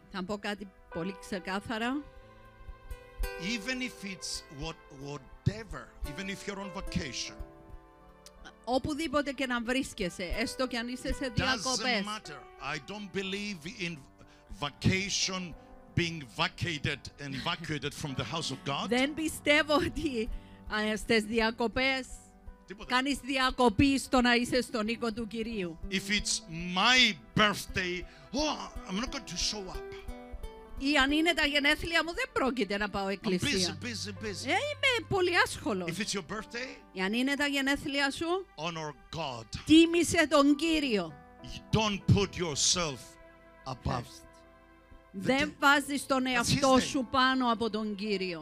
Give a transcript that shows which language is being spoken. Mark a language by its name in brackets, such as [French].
[Greek] Θα πω κάτι πολύ ξεκάθαρα. [English] Even if it's whatever, even if you're on vacation. [Greek] Οπουδήποτε και να βρίσκεσαι, έστω και αν είσαι σε διακοπές. [English] Doesn't matter. I don't believe in vacation being vacated and evacuated from the house of God. [Greek] Δεν πιστεύω ότι στις διακοπές κάνεις διακοπή στο να είσαι στον οίκο του Κυρίου. [English] If it's my birthday, I'm not going to show up. [Greek] Ή αν είναι τα γενέθλια μου, δεν πρόκειται να πάω εκκλησία. [English] Busy. [Greek] Είμαι πολύ άσχολος. [English] If it's your birthday, [Greek] ή αν είναι τα γενέθλια σου, [English] honor God. [Greek] Τίμησε τον Κύριο. [English] Don't put yourself above. [Greek] Δεν βάζεις τον εαυτό σου πάνω από τον Κύριο.